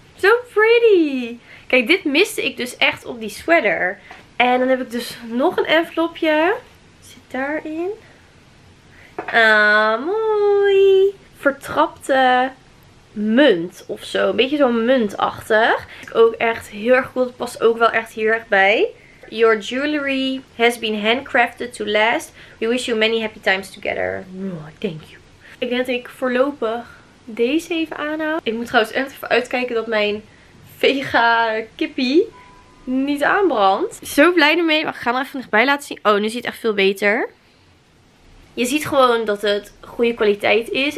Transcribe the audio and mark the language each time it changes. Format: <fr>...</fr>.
<nl>Zo pretty. Kijk, dit miste ik dus echt op die sweater. En dan heb ik dus nog een envelopje. Zit daarin. Ah, mooi. Vertrapte munt of zo. Een beetje zo muntachtig. Ook echt heel erg cool. Het past ook wel echt heel erg bij.</nl> <en>Your jewelry has been handcrafted to last. We wish you many happy times together. Oh, thank you.</en> <nl>Ik denk dat ik voorlopig deze even aanhoud. Ik moet trouwens echt even uitkijken dat mijn vega kippie niet aanbrandt. Zo blij ermee. We gaan er even dichtbij laten zien. Oh, nu ziet het echt veel beter. Je ziet gewoon dat het goede kwaliteit is.</nl>